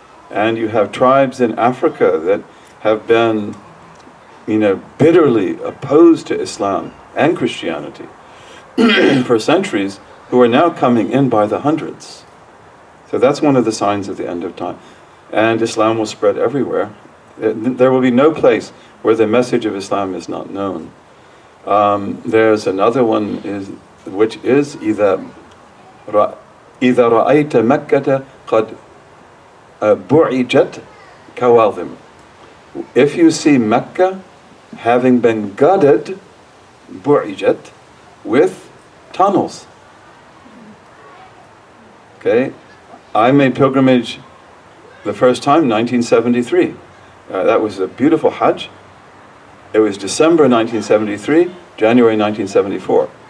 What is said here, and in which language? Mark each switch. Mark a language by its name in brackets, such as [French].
[English] And you have tribes in Africa that have been, you know, bitterly opposed to Islam and Christianity for centuries, who are now coming in by the hundreds. So that's one of the signs of the end of time. And Islam will spread everywhere. There will be no place where the message of Islam is not known. There's another one, which is [Arabic] إِذَا رَأَيْتَ مَكَّةَ قَدْ بُعِجَتْ كَوَالْذِمْ. [English] If you see Mecca having been gutted, بُعِجَتْ, with tunnels. Okay, I made pilgrimage the first time in 1973. That was a beautiful Hajj. It was December 1973, January 1974.